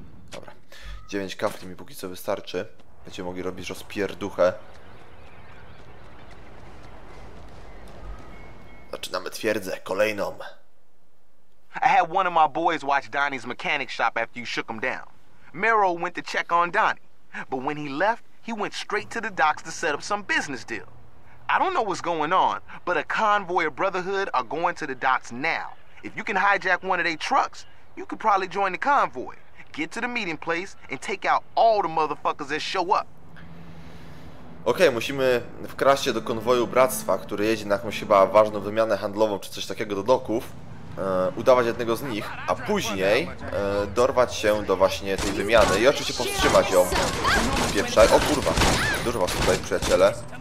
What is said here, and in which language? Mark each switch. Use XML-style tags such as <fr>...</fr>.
<pl>Dobra. 9 kafli mi póki co wystarczy. Będziemy mogli robić rozpierduchę. Zaczynamy twierdzę kolejną.</pl> <en>I had one of my boys watch Donnie's mechanic shop after you shook him down. Mero went to check on Donnie, but when he left, he went straight to the docks to set up some business deal. I don't know what's going on, but a convoy of Brotherhood are going to the docks now. If you can hijack one of their trucks, you could probably join the convoy, get to the meeting place, and take out all the motherfuckers that show up.</en> <pl>Okej, musimy wkraść się do konwoju Bractwa, który jedzie na jakąś chyba ważną wymianę handlową czy coś takiego do doków. Udawać jednego z nich, a później dorwać się do właśnie tej wymiany i oczywiście powstrzymać ją. Pieprzaj. O kurwa, dużo was tutaj, przyjaciele.</pl>